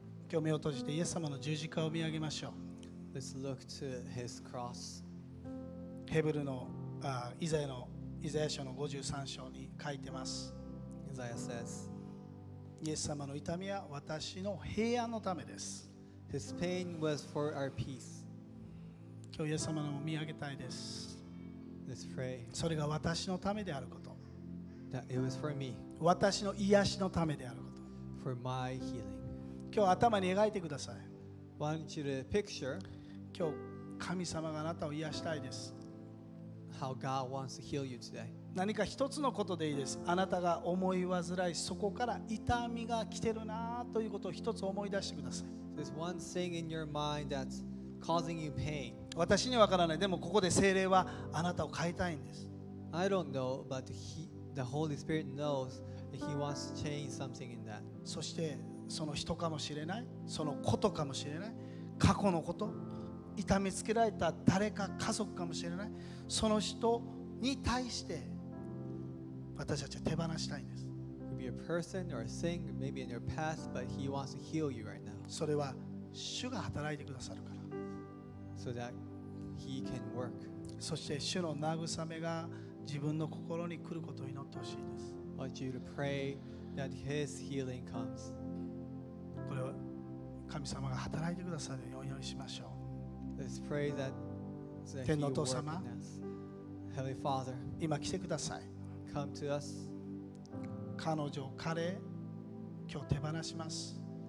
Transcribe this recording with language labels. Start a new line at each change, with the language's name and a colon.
Japanese: 今日目を閉じてイエス様の十字架を見上げましょう。
English: Let's look to His cross.
Japanese: ヘブルのイザヤのイザヤ書の53章に書いてます。
English: Isaiah says,
Japanese: イエス様の痛みは私の平安のためです。
English: His pain was for our peace.
Japanese: 今日イエス様のを見上げたいです。
English: Let's pray.
Japanese: それが私のためであること。
English: That it was for me.
Japanese: 私の癒しのためであること。
English: For my healing.
Japanese: 今日頭に描いてください。
English: Want you to picture.
Japanese: 今日神様があなたを癒したいです。
English: How God wants to heal you today.
Japanese: 何か一つのことでいいです。あなたが思い煩いそこから痛みが来てるなということを一つ思い出してください。
English: There's one thing in your mind that's causing you pain.
Japanese: 私にはわからない。でもここで聖霊はあなたを変えたいんです。
English: I don't know, but the Holy Spirit knows that He wants to change something in that.
Japanese: そしてその人かもしれない、そのことかもしれない、過去のこと。痛みつけられた誰か家族かもしれない、その人に対して私たちは手放したいんです。
English: It could be a person or a thing, maybe in your past, but He wants to heal you right now.
Japanese: それは主が働いてくださるから。
English: So that He can work.
Japanese: そして主の慰めが自分の心に来ることを祈ってほしいです。
English: I want you to pray that His healing comes.
Japanese: これは神様が働いてくださるようにお祈りしましょう。
English: Let's pray that the Lord will work in us. Heavenly Father,
Japanese: 今来てください。
English: Come to us.
Japanese: 彼女、彼、今日手放します。